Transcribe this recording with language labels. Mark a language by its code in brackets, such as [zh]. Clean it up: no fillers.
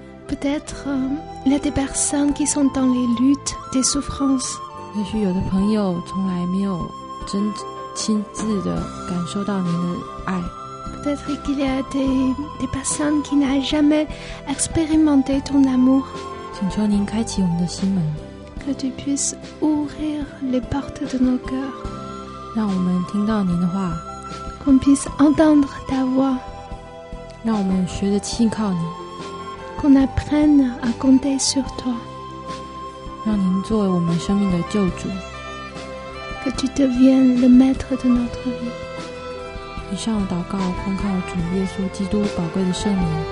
[fr] Peut-être il y a des personnes qui sont dans les luttes, des souffrances. [zh] 也许有的朋友从来没有真亲自的感受到您的爱。 [fr] Peut-être qu'il y a des personnes qui n'ont jamais expérimenté ton amour. [zh] 请求您开启我们的心门。 [fr] Que tu puisses ouvrir les portes de nos cœurs. [zh] 让我们听到您的话。 [fr] Qu'on puisse entendre ta voix. [zh] 让我们学着信靠您。 [fr] Qu'on apprenne à compter sur toi. [zh] 让您作为我们生命的救主。 [fr] Que tu deviennes le maître de notre vie. [zh] 以上祷告奉靠主耶稣基督宝贵的圣名。